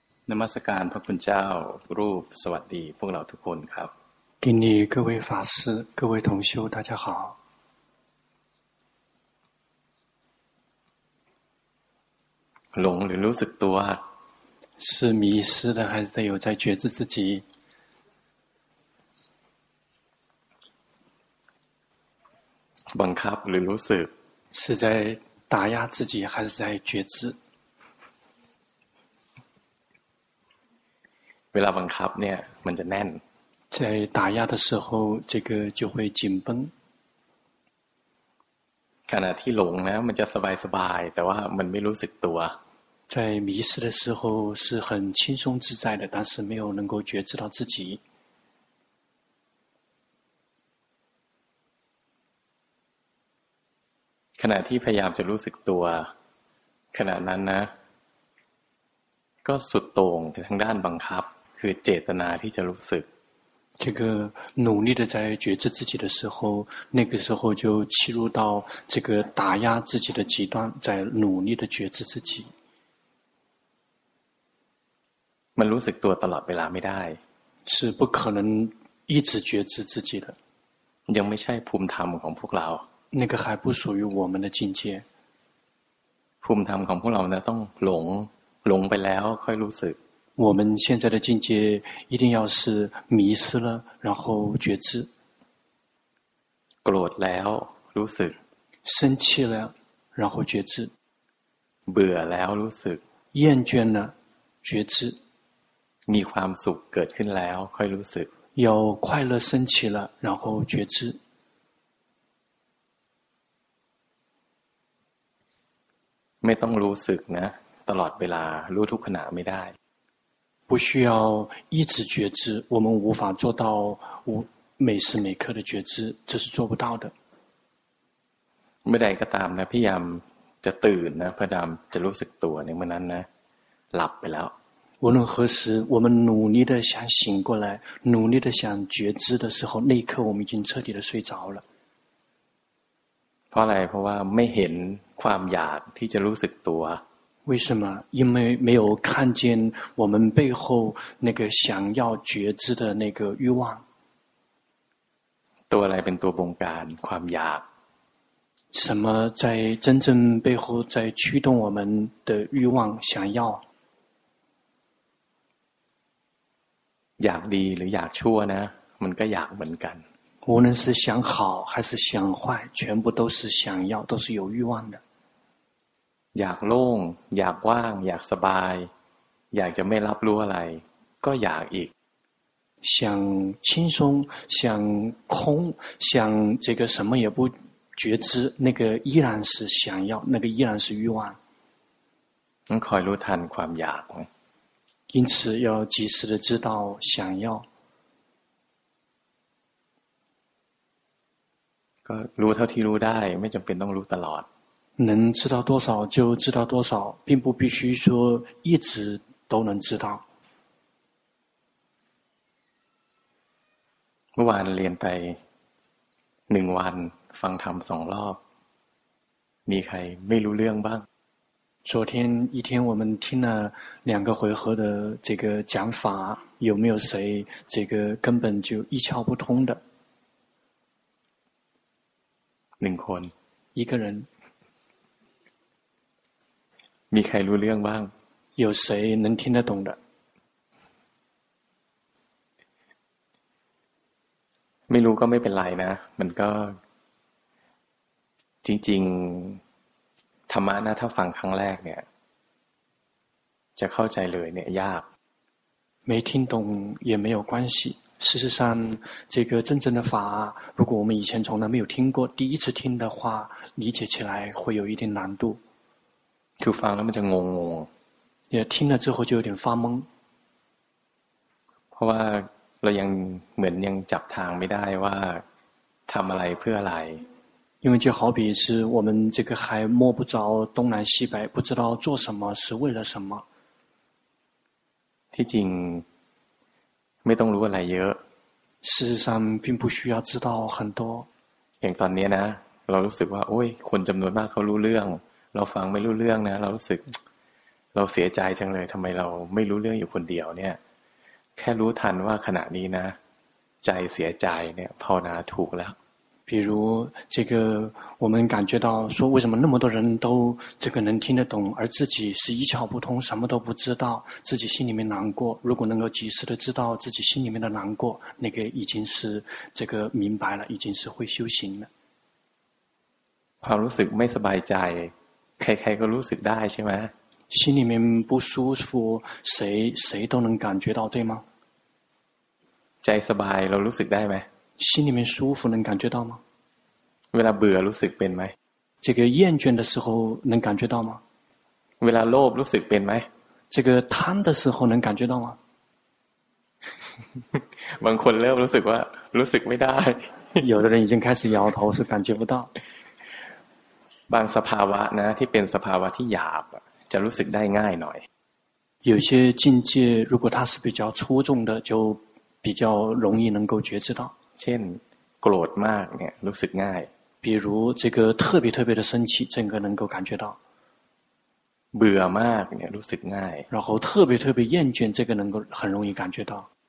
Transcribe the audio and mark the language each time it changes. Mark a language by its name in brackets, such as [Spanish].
[Thai] นมัสการพระคุณเจ้ารูปสวัสดีพวกเราทุกคนครับ ทีนี้ [Chinese] 各位法师各位同修大家好 [Thai] หลงหรือรู้สึกตัว [Chinese] 是迷失的还是有在觉知自己 [Thai] บังคับหรือรู้สึก [Chinese] 是在打压自己还是在觉知 [Thai] เวลาบังคับเนี่ยมันจะแน่น [Chinese] 在打压的时候这个就会紧绷 [Thai] ขณะที่หลงนะมันจะสบายสบายแต่ว่ามันไม่รู้สึกตัว [Chinese] 在迷失的时候是很轻松自在的但是没有能够觉知到自己 [Thai] ขณะที่พยายามจะรู้สึกตัวขณะนั้นนะก็สุดโต่งทางด้านบังคับคือเจตนาที่จะรู้สึก [Chinese] 这个努力的在觉知自己的时候那个时候就切入到这个打压自己的极端在努力的觉知自己 [Thai] มันรู้สึกตัวตลอดเวลาไม่ได้ [Chinese] 是不可能一直觉知自己的 [Thai] ยังไม่ใช่ภูมิธรรมของพวกเรา [Chinese] 那个还不属于我们的境界 [Thai] ภูมิธรรมของพวกเราเนี่ยต้องหลงไปแล้วค่อยรู้สึก [Chinese] 我们现在的境界一定要是迷失了然后觉知 [Thai] โกรธแล้วรู้สึก [Chinese] 生气了然后觉知 [Thai] เบื่อแล้วรู้สึก [Chinese] 厌倦了觉知 [Thai] มีความสุขเกิดขึ้นแล้วค่อยรู้สึก [Chinese] 有快乐升起了然后觉知 [Thai] ไม่ต้องรู้สึกนะตลอดเวลารู้ทุกขณะไม่ได้ [Chinese] 不需要一直觉知我们无法做到每时每刻的觉知这是做不到的 [Thai] เมื่อใดก็ตามนะพยายามจะตื่นนะพยายามจะรู้สึกตัวในเมื่อนั้นนะหลับไปแล้ว [Chinese] 无论何时我们努力的想醒过来努力的想觉知的时候那一刻我们已经彻底的睡着了 [Thai] เพราะอะไรเพราะว่าไม่เห็นความอยากที่จะรู้สึกตัว [Chinese] 为什么因为没有看见我们背后那个想要觉知的那个欲望 [Thai] ตัวอะไรเป็นตัวบงการความอยาก [Chinese] 什么在真正背后在驱动我们的欲望想要 [Thai] อยากดีหรืออยากชั่วนะมันก็อยากเหมือนกัน [Chinese] 无论是想好还是想坏全部都是想要都是有欲望的 [Thai] อยากโล่งอยากว่างอยากสบายอยากจะไม่รับรู้อะไรก็อยากอีก [Chinese] 想轻松想空想这个什么也不觉知那个依然是想要那个依然是欲望 [Thai] คอยรู้ทันความอยาก [Chinese] 因此要及时的知道想要 [Thai] ก็รู้เท่าที่รู้ได้ไม่จำเป็นต้องรู้ตลอด [Chinese] 能知道多少就知道多少并不必须说一直都能知道 [Thai] เมื่อวานเรียนไป1วันฟังธรรม2รอบมีใครไม่รู้เรื่องบ้าง [Chinese] 昨天一天我们听了两个回合的这个讲法有没有谁这个根本就一窍不通的 [Thai] 1คน [Chinese] 一个人 [Thai] มีใครรู้เรื่องบ้าง [Chinese] 有谁能听得懂的 [Thai] ไม่รู้ก็ไม่เป็นไรนะมันก็จริงๆธรรมะนะถ้าฟังครั้งแรกเนี่ยจะเข้าใจเลยเนี่ยยาก [Chinese] 没听懂也没有关系事实上这个真正的法如果我们以前从来没有听过第一次听的话理解起来会有一点难度 [Thai] คือฟังแล้วมันจะงง [Chinese] ๆ也听了之后就有点发懵 [Thai] เพราะว่าเรายังเหมือนยังจับทางไม่ได้ว่าทำอะไรเพื่ออะไร [Chinese] 因为就好比是我们这个还摸不着东南西北不知道做什么是为了什么 [Thai] ที่จริงไม่ต้องรู้อะไรเยอะ [Chinese] 事实上并不需要知道很多 [Thai] อย่างตอนนี้นะเรารู้สึกว่าโอ้ยคนจำนวนมากเขารู้เรื่องเราฟังไม่รู้เรื่องนะเรารู้สึกเร เราเสียใจจังเลยทำไมเราไม่รู้เรื่องอยู่คนเดียวเนี่ยแค่รู้ทันว่าขณะนี้นะใจเสียใจเนี่ยภาวนาถูกแล้ว [Chinese] 比如这个我们感觉到说为什么那么多人都这个能听得懂而自己是一窍不通什么都不知道自己心里面难过如果能够及时的知道自己心里面的难过那个已经是这个明白了已经是会修行了 [Thai] ความรู้สึกไม่สบายใจใครๆก็รู้สึกได้ใช่ไหม [Chinese] 心里面不舒服谁都能感觉到对吗 [Thai] ใจสบายเรารู้สึกได้ไหม [Chinese] 心里面舒服能感觉到吗 [Thai] เวลาเบื่อรู้สึกเป็นไหม [Chinese] 这个厌倦的时候能感觉到吗 [Thai] เวลาโลภรู้สึกเป็นไหม [Chinese] 这个贪的时候能感觉到吗 [Thai] บางคนเริ่มรู้สึกว่ารู้สึกไม่ได้ [Chinese] 有的人已经开始摇头是感觉不到 [Thai] บางสภาวะนะที่เป็นสภาวะที่หยาบจะรู้สึกได้ง่ายหน่อย [Chinese] 有些境界如果它是比较粗重的就比较容易能够觉知到 [Thai] เช่นโกรธมากเนี่ยรู้สึกง่าย [Chinese] 比如这个特别特别的生气这个能够感觉到 [Thai] เบื่อมากเนี่ยรู้สึกง่าย [Chinese] 然后特别特别厌倦这个能够很容易感觉到